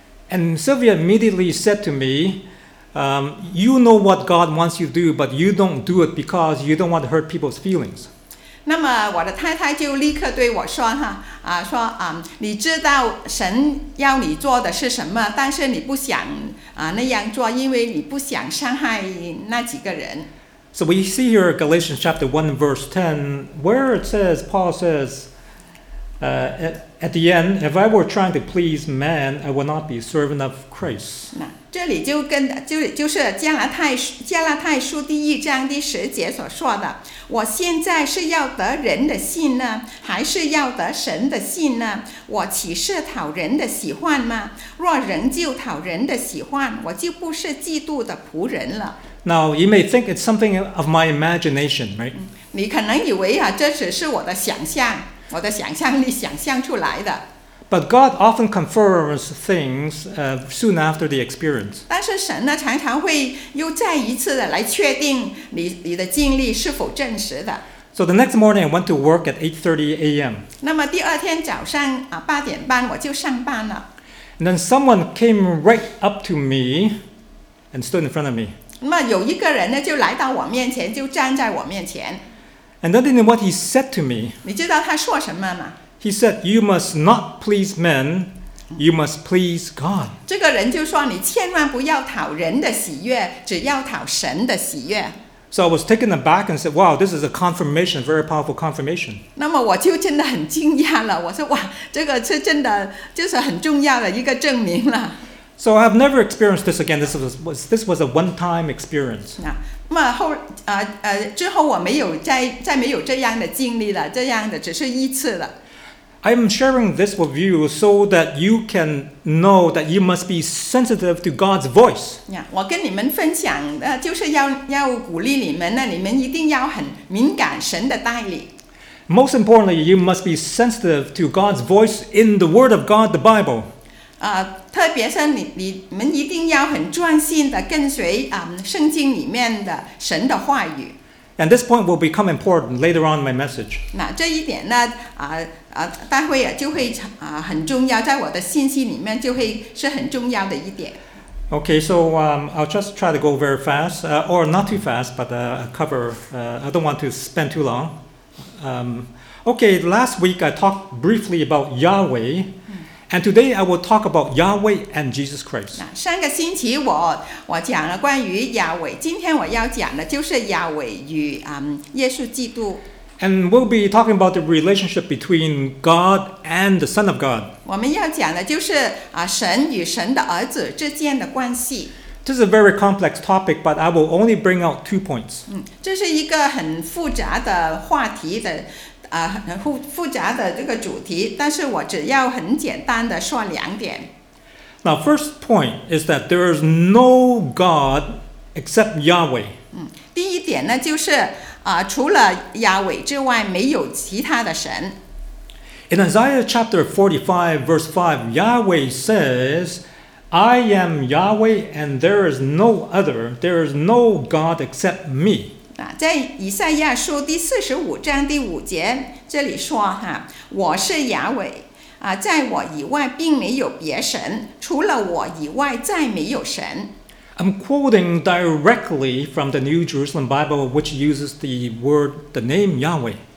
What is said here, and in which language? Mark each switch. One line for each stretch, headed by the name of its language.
English: And Sylvia immediately said to me, you know what God wants you to do, but you don't do it because you don't want to hurt people's feelings.
Chinese: 那么我的太太就立刻对我说哈啊说啊你知道神要你做的是什么，但是你不想啊那样做，因为你不想伤害那几个人。
English: So we see here Galatians chapter 1 verse 10 where it says, Paul says, at the end, if I were trying to please man, I would not be a servant of Christ.
Chinese: 这里就跟就是加拉太书第一章第十节所说的，我现在是要得人的信呢，还是要得神的信呢？我岂是讨人的喜欢吗？若仍旧讨人的喜欢，我就不是基督的仆人了。
English: Now you may think it's something of my imagination, right?
Chinese: 你可能以为啊，这只是我的想象，我的想象力想象出来的。
English: But God often confirms things soon after the experience.
Chinese: 但是神呢，常常会又再一次的来确定你的经历是否真实的。
English: So the next morning, I went to work at 8:30 a.m.
Chinese: 那么第二天早上啊，八点半我就上班了。
English: And then someone came right up to me and stood in front of me.
Chinese: 那么有一个人呢，就来到我面前，就站在我面前。
English: And then you know what he said to me?
Chinese: 你知道他说什么吗？
English: He said, you must not please men, you must please God.
Chinese: 这个人就说你千万不要讨人的喜悦，只要讨神的喜悦。
English: So I was taken aback and said, wow, this is a confirmation, very powerful confirmation.
Chinese: 那么我就真的很惊讶了，我说哇，这个是真的，就是很重要的一个证明了。
English: So I've never experienced this again, this was a one-time experience.
Chinese: 那么后，之后我没有再没有这样的经历了，这样的只是一次了。
English: I'm sharing this with you so that you can know that you must be sensitive to God's voice.
Chinese: Yeah, 我跟你们分享，就是要鼓励你们呢，你们一定要很敏感神的带领。
English: Most importantly, you must be sensitive to God's voice in the Word of God, the Bible.
Chinese: 特别是你们一定要很专心的跟随圣经里面的神的话语。
English: And this point will become important later on in my message.
Chinese: 那这一点呢，待会儿就会很重要，在我的信息里面就会是很重要的一点。
English: Okay, so I'll just try to go very fast, or not too fast, but cover. I don't want to spend too long. Okay, last week I talked briefly about Yahweh. And today I will talk about Yahweh and Jesus Christ.
Chinese: 上个星期我讲了关于亚伟，今天我要讲的就是亚伟与耶稣基督。
English: And we'll be talking about the relationship between God and the Son of God.
Chinese: 我们要讲的就是神与神的儿子之间的关系。
English: This is a very complex topic, but I will only bring out 2 points.
Chinese: 这是一个很复杂的话题的。复杂的这个主题，但是我只要很简单的说两点。
English: Now, first point is that there is no God except Yahweh.
Chinese: 第一点呢，就是除了亚伟之外，没有其他的神。
English: In Isaiah chapter 45, verse 5, Yahweh says, I am Yahweh, and there is no other, there is no God except me.
Chinese: 在以赛亚书第45:5，这里说哈，我是亚伟，在我以外并没有别神，除了我以外再没有神。
English: I'm quoting directly from the New Jerusalem Bible, which uses the word, the name Yahweh.